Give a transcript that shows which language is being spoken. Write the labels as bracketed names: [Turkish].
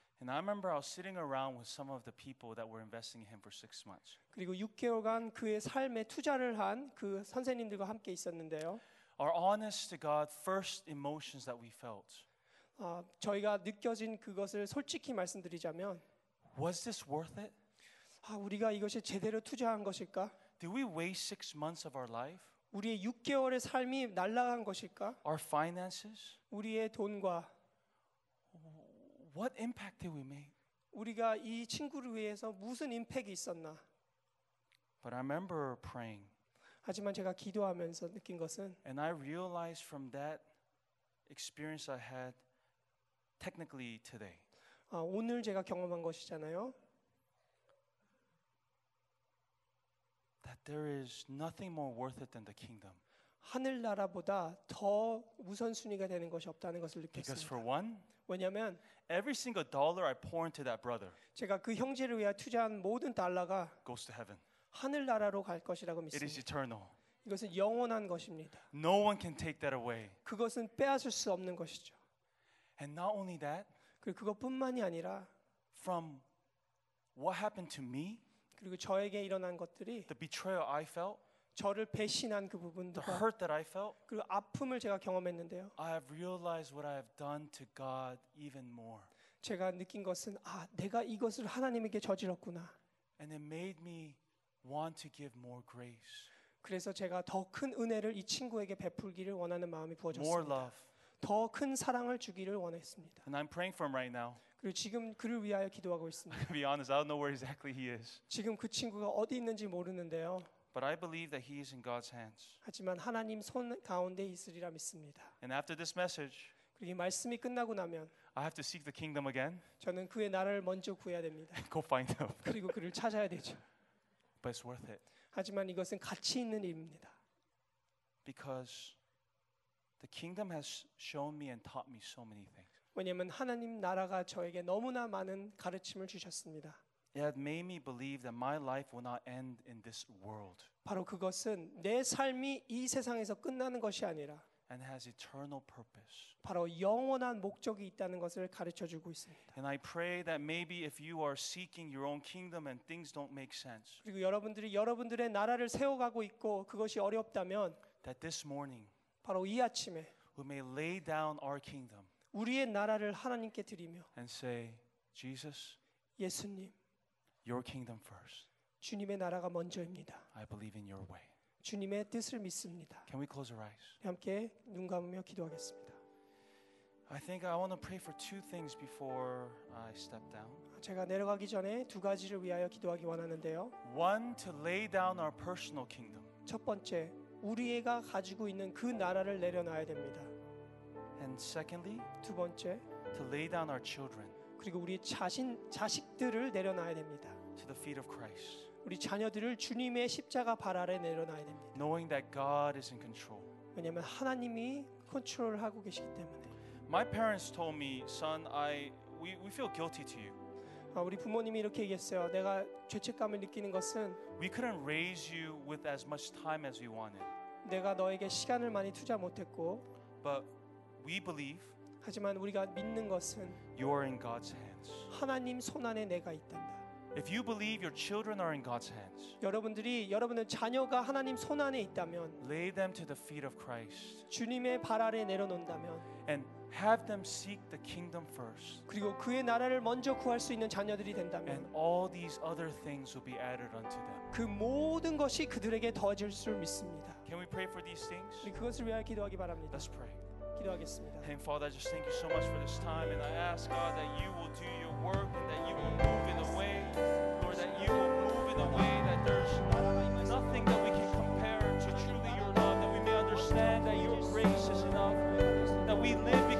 [English] And I remember I was sitting around with some of the people that were investing in him for 6 months. [Korean] 그리고 6개월간 그의 삶에 투자를 한 그 선생님들과 함께 있었는데요. [English] Our honest to God first emotions that we felt. [Korean] 저희가 느껴진 그것을 솔직히 말씀드리자면, [English] Was this worth it? [Korean] 우리가 이것이 제대로 투자한 것일까? [English] Did we waste 6 months of our life? [Korean] 우리의 6개월의 삶이 날라간 것일까? [English] Our finances? [Korean] 우리의 돈과 [English] What impact did we make? [Korean] 우리가 이 친구를 위해서 무슨 임팩트 있었나? [English] But I remember praying. [Korean] 하지만 제가 기도하면서 느낀 것은 [English] And I realized from that experience I had technically today. [Korean] 오늘 제가 경험한 것이잖아요. [English] That there is nothing more worth it than the kingdom. [Korean] 하늘 나라보다 더 우선순위가 되는 것이 없다는 것을 느꼈습니다. [English] Because for one [Korean] 왜냐면 [English] every single dollar I pour into that brother [Korean] 제가 그 형제를 위해 투자한 모든 달러가 [English] goes to heaven [Korean] 하늘 나라로 갈 것이라고 믿습니다. [English] It is eternal [Korean] 이것은 영원한 것입니다. [English] No one can take that away [Korean] 그것은 빼앗을 수 없는 것이죠. [English] And not only that [Korean] 그리고 그것뿐만이 아니라 [English] from what happened to me [Korean] 그리고 저에게 일어난 것들이 [English] the betrayal I felt [Korean] 저를 배신한 그 부분들과 [English] The hurt that I felt, [Korean] 그리고 아픔을 제가 경험했는데요. [English] I have realized what I have done to God even more. [Korean] 제가 느낀 것은 내가 이것을 하나님에게 저질렀구나. [English] And it made me want to give more grace. [Korean] 그래서 제가 더 큰 은혜를 이 친구에게 베풀기를 원하는 마음이 부어졌습니다. [English] More love. [Korean] 더 큰 사랑을 주기를 원했습니다. [English] And I'm praying for him right now. [Korean] 그리고 지금 그를 위하여 기도하고 있습니다. [English] To be honest, I don't know where exactly he is. [Korean] 지금 그 친구가 어디 있는지 모르는데요. [English] But I believe that he is in God's hands. [Korean] 하지만 하나님 손 가운데 있으리라 믿습니다. [English] And after this message, [Korean] 그리고 이 말씀이 끝나고 나면, [English] I have to seek the kingdom again. [Korean] 저는 그의 나라를 먼저 구해야 됩니다. [English] Go find him. [Korean] 그리고 그를 찾아야 되죠. [English] But it's worth it. [Korean] 하지만 이것은 가치 있는 일입니다. [English] Because the kingdom has shown me and taught me so many things. [Korean] 왜냐하면 하나님 나라가 저에게 너무나 많은 가르침을 주셨습니다. [English] It had made me believe that my life will not end in this world. [Korean] 바로 그것은 내 삶이 이 세상에서 끝나는 것이 아니라 [English] and has eternal purpose. [Korean] 바로 영원한 목적이 있다는 것을 가르쳐 주고 있습니다. [English] And I pray that maybe if you are seeking your own kingdom and things don't make sense. [Korean] 그리고 여러분들이 여러분들의 나라를 세워 가고 있고 그것이 어렵다면 [English] that this morning [Korean] 바로 이 아침에 [English] we may lay down our kingdom. [Korean] 우리의 나라를 하나님께 드리며 [English] and say Jesus [Korean] 예수님 [English] Your kingdom first. [Korean] 주님의 나라가 먼저입니다. [English] I believe in your way. [Korean] 주님의 뜻을 믿습니다. [English] Can we close our eyes? [Korean] 함께 눈 감으며 기도하겠습니다. [English] I think I want to pray for two things before I step down. [Korean] 제가 내려가기 전에 두 가지를 위하여 기도하기 원하는데요. [English] One to lay down our personal kingdom. [Korean] 첫 번째, 우리 애가 가지고 있는 그 나라를 내려놔야 됩니다. [English] And secondly, [Korean] 두 번째, [English] to lay down our children. [Korean] 그리고 우리 자식들을 내려놔야 됩니다. [English] To the feet of Christ. [Korean] 우리 자녀들을 주님의 십자가 발 아래 내려놔야 됩니다. [English] Knowing that God is in control. [Korean] 왜냐면 하나님이 컨트롤을 하고 계시기 때문에. [English] My parents told me, son, we feel guilty to you. [Korean] 우리 부모님이 이렇게 얘기했어요. 내가 죄책감을 느끼는 것은 [English] We couldn't raise you with as much time as we wanted. [Korean] 내가 너에게 시간을 많이 투자 못했고 [English] But we believe [Korean] 하지만 우리가 믿는 것은 [English] You are in God's hands. [Korean] 하나님 손 안에 내가 있단다. [English] If you believe your children are in God's hands. [Korean] 여러분들이 여러분의 자녀가 하나님 손 안에 있다면 [English] Lay them to the feet of Christ. [Korean] 주님의 발 아래 내려놓는다면 [English] And Have them seek the kingdom first. [Korean] 그리고 그의 나라를 먼저 구할 수 있는 자녀들이 된다면, [English] and all these other things will be added unto them. [Korean] 그 모든 것이 그들에게 더해질 줄 믿습니다. [English] Can we pray for these things? [Korean] 우리 그것을 위하여 기도하기 바랍니다. [English] Let's pray. [Korean] 기도하겠습니다. [English] Heavenly Father, I just thank you so much for this time, and I ask God that you will do your work and that you will move in a way, Lord, that you will move in a way that there's nothing that we can compare to truly your love, that we may understand that your grace is enough, that we live.